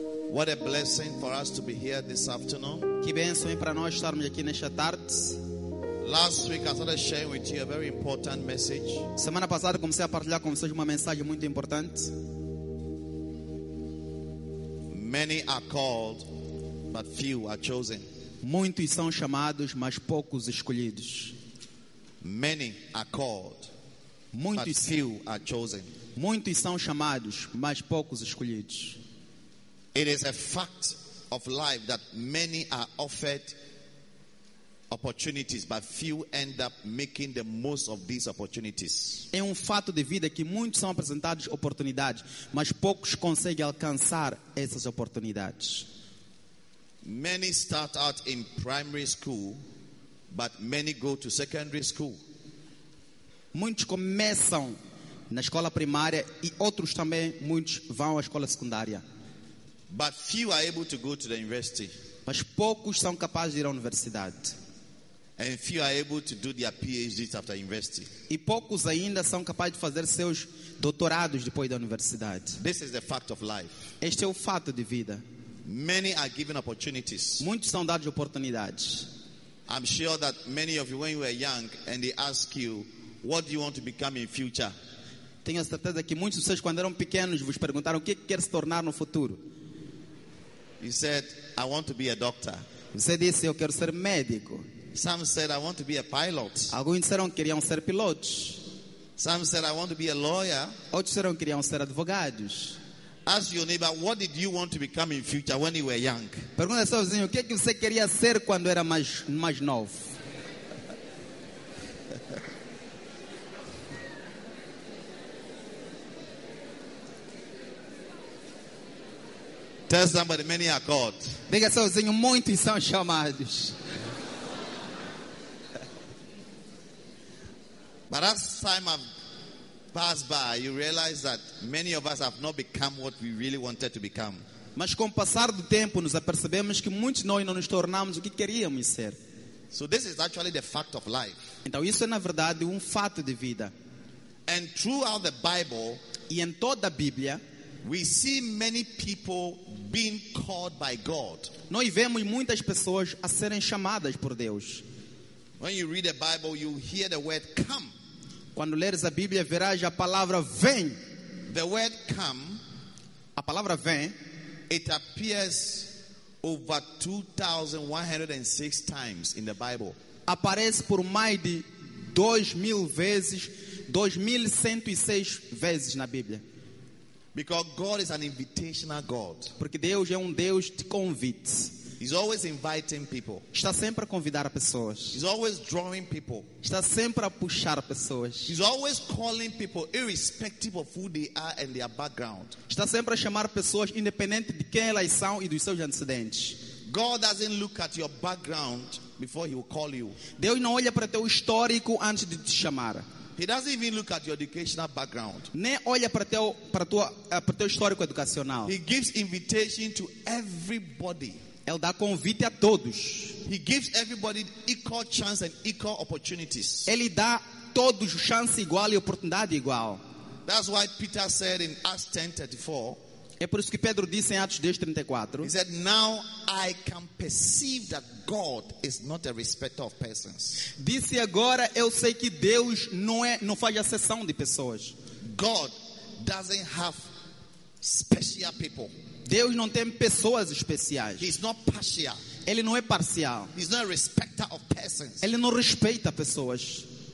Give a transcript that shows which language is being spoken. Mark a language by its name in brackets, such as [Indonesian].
[English] What a blessing for us to be here this afternoon. [Portuguese] Que bênção para nós estarmos aqui nesta tarde. [English] Last week I started sharing with you a very important message. [Portuguese] Semana passada comecei a partilhar com vocês uma mensagem muito importante. [English] Many are called, but few are chosen. [Portuguese] Muitos são chamados, mas poucos escolhidos. [English] Many are called, [Portuguese] muitos [English] but few are chosen. [Portuguese] Muitos são chamados, mas poucos escolhidos. [English] It is a fact of life that many are offered opportunities, but few end up making the most of these opportunities. [Portuguese] É um fato de vida que muitos são apresentados oportunidades, mas poucos conseguem alcançar essas oportunidades. [English] Many start out in primary school, but many go to secondary school. [Portuguese] Muitos começam na escola primária e outros também muitos vão à escola secundária. [English] But few are able to go to the university. [Portuguese] Mas poucos são capazes de ir à universidade. [English] And few are able to do their PhDs after university. [Portuguese] E poucos ainda são capazes de fazer seus doutorados depois da universidade. [English] This is the fact of life. [Portuguese] Este é o fato de vida. [English] Many are given opportunities. [Portuguese] Muitos são dados oportunidades. [English] I'm sure that many of you, when you were young, and they ask you, what do you want to become in future? [Portuguese] Tenho certeza que muitos de vocês, quando eram pequenos, vos perguntaram o que quer se tornar no futuro. [English] You said, I want to be a doctor. [Portuguese] Você disse, eu quero ser médico. [English] Some said I want to be a pilot. [Portuguese] Alguns disseram que queriam ser pilotos. [English] Some said I want to be a lawyer. [Portuguese] Outros disseram que queriam ser advogados. [English] Ask your neighbor, what did you want to become in future when you were young? [Portuguese] Pergunta ao seu vizinho, o que é que você queria ser quando era mais novo? [English] Tell somebody, many are called. [Portuguese] Diga ao seu vizinho, muitos são chamados. [English] But as time have pass by, you realize that many of us have not become what we really wanted to become. [Portuguese] Mas com o passar do tempo, nos apercebemos que muitos de nós não nos tornamos o que queríamos ser. [English] So this is actually the fact of life. [Portuguese] Então isso é na verdade fato de vida. [English] And throughout the Bible, [Portuguese] e em toda a Bíblia, [English] we see many people being called by God. [Portuguese] Nós vemos muitas pessoas a serem chamadas por Deus. [English] When you read the Bible, you hear the word come. [Portuguese] Quando leres a Bíblia, verás a palavra vem. [English] The word come, [Portuguese] a palavra vem, [English] it appears over 2106 times in the Bible. [Portuguese] Aparece por mais de 2106 vezes na Bíblia. [English] Because God is an invitational God. [Portuguese] Porque Deus é Deus de convites. [English] He's always inviting people. [Portuguese] Está sempre a convidar pessoas. [English] He's always drawing people. [Portuguese] Está sempre a puxar pessoas. [English] He's always calling people irrespective of who they are and their background. [Portuguese] Está sempre a chamar pessoas independente de quem elas são e dos seus antecedentes. [English] God doesn't look at your background before he will call you. [Portuguese] Deus não olha para teu histórico antes de te chamar. [English] He doesn't even look at your educational background. [Portuguese] Nem olha para teu para teu histórico educacional. [English] He gives invitation to everybody. [Portuguese] Ele dá convite a todos. [English] He gives everybody equal chance and equal opportunities. [Portuguese] Ele dá todos chance igual e oportunidade igual. [English] That's why Peter said in Acts 10:34. [Portuguese] É por isso que Pedro disse em Atos 10:34. [English] He said, "Now I can perceive that God is not a respecter of persons." [Portuguese] Disse agora eu sei que Deus não faz exceção de pessoas. [English] God doesn't have special people. [Portuguese] Deus não tem pessoas especiais. [English] He's not partial. [Portuguese] Ele não é parcial. [English] He's not a respecter of persons. [Portuguese] Ele não respeita pessoas.